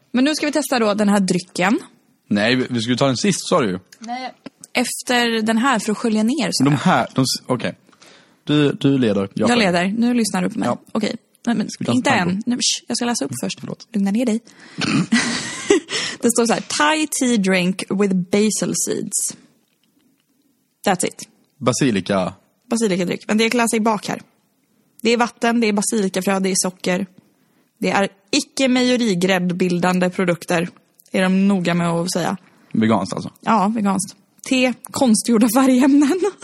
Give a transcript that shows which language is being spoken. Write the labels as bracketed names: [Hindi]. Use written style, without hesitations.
[Swedish] Men nu ska vi testa då den här drycken. Nej, vi skulle ta den sist, sa du ju. Nej, efter den här för att skölja ner. De här, okej. Okay. Du leder. Jag leder. Nu lyssnar du på mig. Ja. Okej. Okay. Men inte än. Nej, jag ska läsa upp först. Förlåt. Lugna ner dig. Det står så här. [English] Thai tea drink with basil seeds. That's it. [Swedish] Basilika. Basilikadryck. Men det är klassik bak här. Det är vatten, det är basilikafrö, det är socker. Det är icke-mejorigräddbildande produkter. Är de noga med att säga. Veganskt alltså? Ja, veganskt. Te, konstgjorda färgämnen.